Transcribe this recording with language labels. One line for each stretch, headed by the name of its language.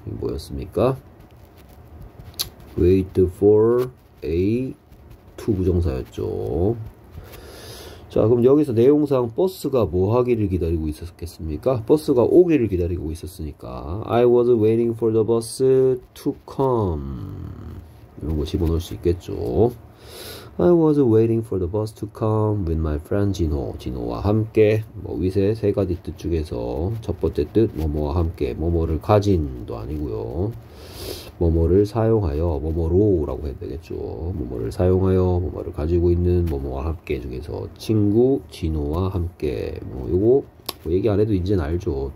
Korean: 뭐였습니까?
English: Wait for A to 부정사였죠.
Korean: 자, 그럼 여기서 내용상 버스가 뭐 하기를 기다리고 있었겠습니까? 버스가 오기를 기다리고 있었으니까
English: I was waiting for the bus to come.
Korean: 이런 거 집어넣을 수 있겠죠.
English: I was waiting for the bus to come with my friend 진호.
Korean: 진호와 함께, 뭐 위세 세 가지 뜻 중에서 첫 번째 뜻, 뭐뭐와 함께, 뭐뭐를 가진도 아니고요, 뭐뭐를 사용하여, 뭐뭐로라고 해야 되겠죠. 뭐뭐를 사용하여, 뭐뭐를 가지고 있는, 뭐뭐와 함께 중에서 친구 진호와 함께, 뭐 요거 뭐 얘기 안 해도 이제는 알죠.